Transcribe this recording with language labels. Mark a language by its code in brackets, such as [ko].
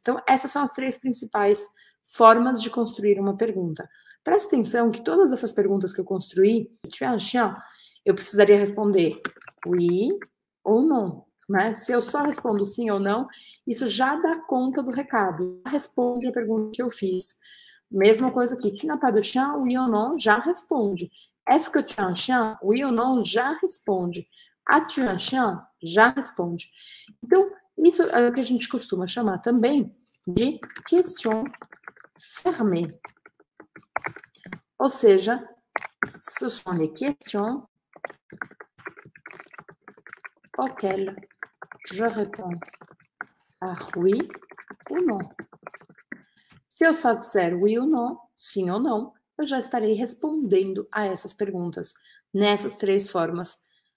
[pt] Então, essas são as três principais formas de construir uma pergunta. Presta atenção que todas essas perguntas que eu construí, [fr] tu é um chien, [pt] eu precisaria responder [fr] oui ou non, [pt] né? Se eu só respondo sim ou não, isso já dá conta do recado. Responde a pergunta que eu fiz. Mesma coisa aqui, [fr] tu n'as pas de chien, oui ou non, [pt] já responde. [fr] Est-ce que tu es un chien, oui ou non, [pt] já responde. [fr] As-tu un chien, [pt] já responde. Então, isso é o que a gente costuma chamar também de [fr] question fermé. [pt] Ou seja, [fr] ce sont les questions auxquelles je réponds par oui ou non. [pt] Se eu só disser [fr] oui ou non, [pt] sim ou não, eu já estarei respondendo a essas perguntas nessas três formas.